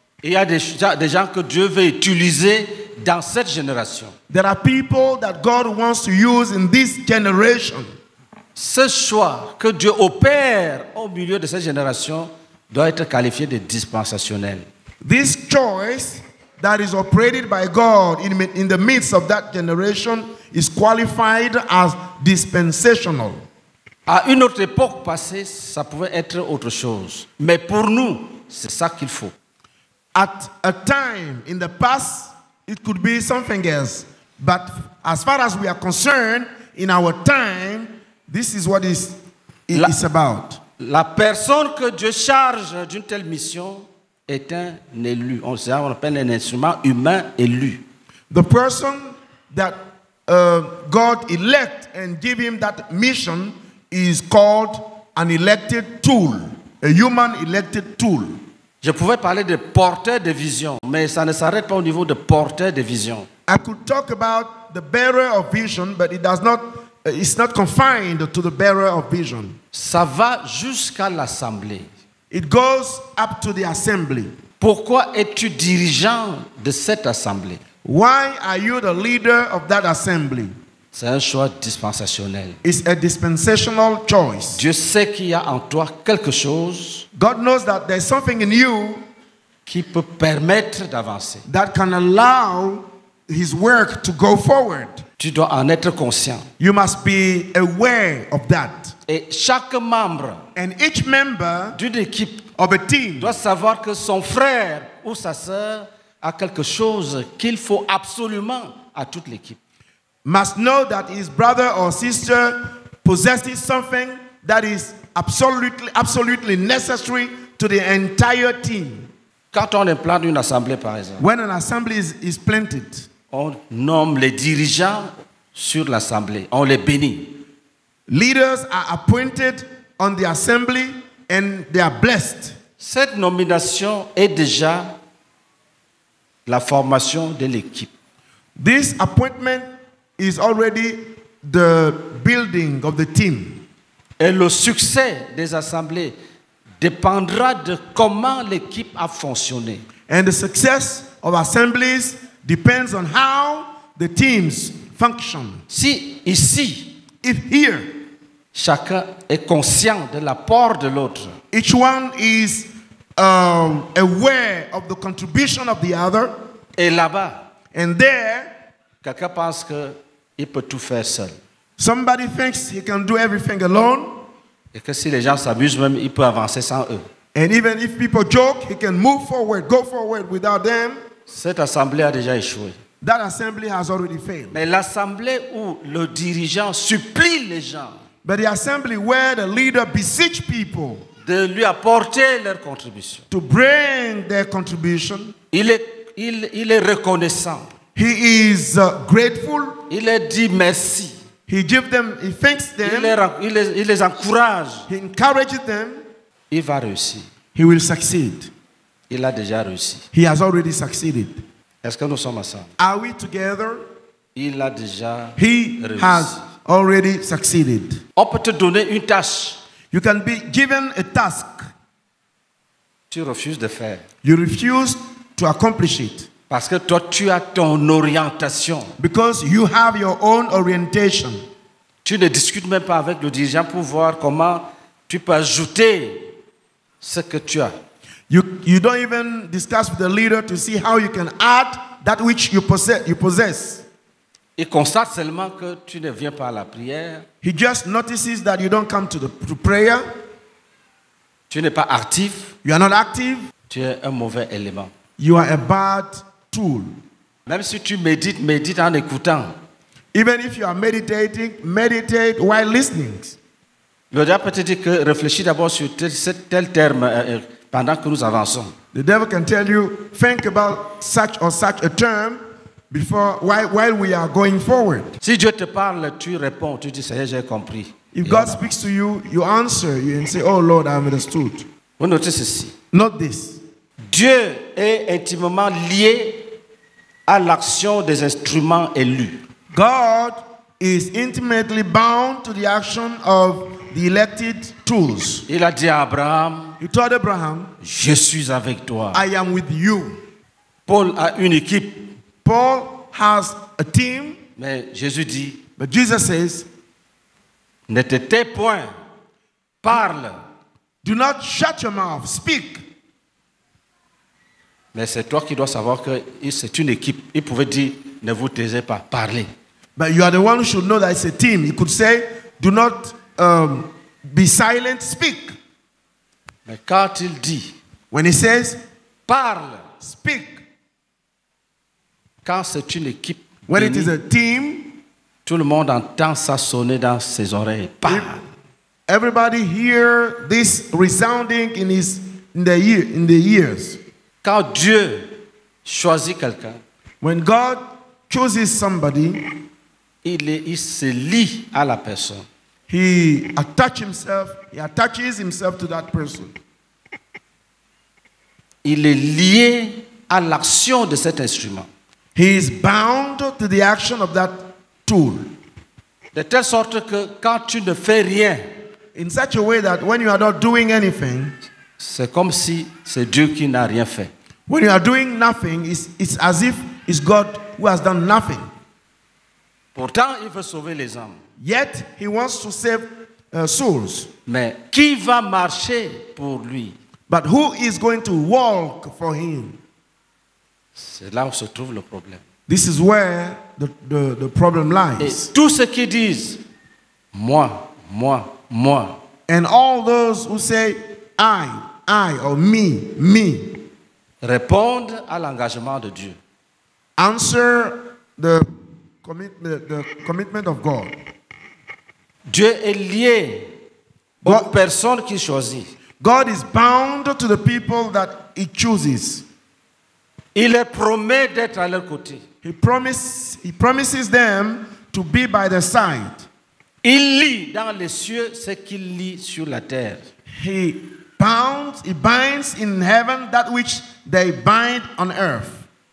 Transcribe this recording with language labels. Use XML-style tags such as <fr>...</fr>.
<fr>Il y a des gens que Dieu veut utiliser dans cette génération.</fr> <en>There are people that God wants to use in this generation.</en> <fr>Ce choix que Dieu opère au milieu de cette génération doit être qualifié de dispensationnel.</fr> <en>This choice that is operated by God in the midst of that generation is qualified as dispensational.</en> <fr>À une autre époque passée, ça pouvait être autre chose. Mais pour nous, c'est ça qu'il faut.</fr> <en>At a time in the past, it could be something else. But as far as we are concerned, in our time, this is what it is about.</en> <fr>La personne que Dieu charge d'une telle mission est un élu. On appelle un instrument humain élu.</fr> <en>The person that God elect and give him that mission is called an elected tool, a human elected tool.</en> <fr>Je pouvais parler de porteur de vision, mais ça ne s'arrête pas au niveau de porteur de vision.</fr> <en>I could talk about the bearer of vision, but it's not confined to the bearer of vision.</en> <fr>Ça va jusqu'à l'assemblée.</fr> <en>It goes up to the assembly.</en> <fr>Pourquoi es-tu dirigeant de cette assemblée?</fr> <en>Why are you the leader of that assembly?</en> <fr>C'est un choix dispensationnel.</fr> <en>It's a dispensational choice.</en> <fr>Dieu sait qu'il y a en toi quelque chose.</fr> <en>God knows that there's something in you</en> <fr>qui peut permettre d'avancer.</fr> <en>That can allow his work to go forward.</en> <fr>Tu dois en être conscient.</fr> <en>You must be aware of that.</en> <fr>Et chaque membre</fr> <en>and each member</en> <fr>d'une équipe</fr> <en>of a team</en> <fr>doit savoir que son frère ou sa sœur a quelque chose qu'il faut absolument à toute l'équipe.</fr> <en>Must know that his brother or sister possesses something that is absolutely necessary to the entire team.</en> <fr>Quand on implante une assemblée, par exemple,</fr> <en>when an assembly is planted,</en> <fr>on nomme les dirigeants sur l'assemblée, on les bénit.</fr> <en>Leaders are appointed on the assembly and they are blessed.</en> <fr>Cette nomination est déjà la formation de l'équipe.</fr> <en>This appointment is already the building of the team.</en> <fr>Et le succès des assemblées dépendra de comment l'équipe a fonctionné.</fr> <en>And the success of assemblies depends on how the teams function.</en> <fr>Si ici,</fr> <en>if here,</en> <fr>chacun est conscient de l'apport de l'autre,</fr> <en>each one is aware of the contribution of the other,</en> <fr>et là-bas,</fr> <en>and there,</en> <fr>quelqu'un pense qu'il peut tout faire seul.</fr> <en>Somebody thinks he can do everything alone.</en> <fr>Et que si les gens s'abusent même, il peut avancer sans eux.</fr> <en>And even if people joke, he can move forward, go forward without them.</en> <fr>Cette assemblée a déjà échoué.</fr> <en>That assembly has already failed.</en> <fr>Mais l'assemblée où le dirigeant supplie les gens.</fr> <en>But the assembly where the leader beseeches people.</en> <fr>De lui apporter leur contribution.</fr> <en>To bring their contribution.</en> <fr>Il est reconnaissant.</fr> <en>He is grateful.</en> <fr>Il leur dit merci.</fr> <en>He gives them, he thanks them.</en> <fr>Il les encourage.</fr> <en>He encourages them.</en> <fr>Il va réussir.</fr> <en>He will succeed.</en> <fr>Il a déjà réussi.</fr> <en>He has already succeeded.</en> <fr>Est-ce que nous sommes ensemble?</fr> <en>Are we together?</en> <fr>Il a déjà</fr> <en>he</en> <fr>réussi.</fr> <en>Has already succeeded.</en> <fr>On peut te donner une tâche.</fr> <en>You can be given a task.</en> <fr>Tu refuses de faire.</fr> <en>You refuse to accomplish it.</en> <fr>Parce que toi, tu as ton orientation.</fr> <en>Because you have your own orientation.</en> <fr>Tu ne discutes même pas avec le dirigeant pour voir comment tu peux ajouter ce que tu as.</fr> <en>You don't even discuss with the leader to see how you can add that which you possess.</en> <fr>Il constate seulement que tu ne viens pas à la prière.</fr> <en>He just notices that you don't come to prayer.</en> <fr>Tu n'es pas actif.</fr> <en>You are not active.</en> <fr>Tu es un mauvais élément.</fr> <en>You are a bad tool.</en> <fr>Même si tu médites, médite en écoutant.</fr> <en>Even if you are meditating, meditate while listening.</en> <fr>Le diable peut te dire que réfléchis d'abord sur tel terme pendant que nous avançons.</fr> <en>The devil can tell you, think about such or such a term while we are going forward.</en> <fr>Si Dieu te parle, tu réponds, tu dis Seigneur, j'ai compris.</fr> <en>If God speaks to you, you answer and say, oh Lord, I understood.</en> <fr>Vous notez ceci.</fr> <en>Not this.</en> <fr>Dieu est intimement lié à l'action des instruments élus.</fr> <en>God is intimately bound to the action of the elected tools.</en> <fr>Il a dit à Abraham,</fr> <en>he told Abraham,</en> <fr>je suis avec toi.</fr> <en>I am with you.</en> <fr>Paul a une équipe.</fr> <en>Paul has a team.</en> <fr>Mais Jésus dit,</fr> <en>but Jesus says,</en> <fr>ne te tais point, parle.</fr> <en>Do not shut your mouth, speak.</en> <fr>Mais c'est toi qui dois savoir que c'est une équipe. Il pouvait dire, ne vous taisez pas, parlez.</fr> <en>But you are the one who should know that it's a team. He could say, do not be silent, speak.</en> <fr>Mais quand il dit,</fr> <en>when he says,</en> <fr>parle,</fr> <en>speak.</en> <fr>Quand c'est une équipe,</fr> <en>when it is a team,</en> <fr>tout le monde entend ça sonner dans ses oreilles. Parle.</fr> <en>Everybody hear this resounding in the ears.</en> <fr>Quand Dieu choisit quelqu'un,</fr> <en>when God chooses somebody,</en> <fr>il se lie à la personne.</fr> <en>He attaches himself to that person.</en> <fr>Il est lié à l'action de cet instrument.</fr> <en>He is bound to the action of that tool.</en> <fr>De telle sorte que quand tu ne fais rien,</fr> <en>in such a way that when you are not doing anything,</en> <fr>c'est comme si c'est Dieu qui n'a rien fait.</fr> <en>When you are doing nothing, it's as if it's God who has done nothing.</en> <fr>Pourtant, il veut sauver les âmes.</fr> <en>Yet, he wants to save souls.</en> <fr>Mais qui va marcher pour lui?</fr> <en>But who is going to walk for him?</en> <fr>C'est là où se trouve le problème.</fr> <en>This is where the problem lies.</en> <fr>Et tous ceux qui disent, moi, moi, moi.</fr> <en>And all those who say, I, or me.</en> <fr>Répondre à l'engagement de Dieu.</fr> <en>Answer the commitment of God.</en> <fr>Dieu est lié God, personne qui choisit.</fr> <en>God is bound to the people that he chooses.</en> <fr>Il leur promet d'être à leur côté.</fr> <en>He promises them to be by their side.</en> <fr>Il lit dans les cieux ce qu'il lit sur la terre.</fr> <en>He binds in heaven that which they bind on earth.</en>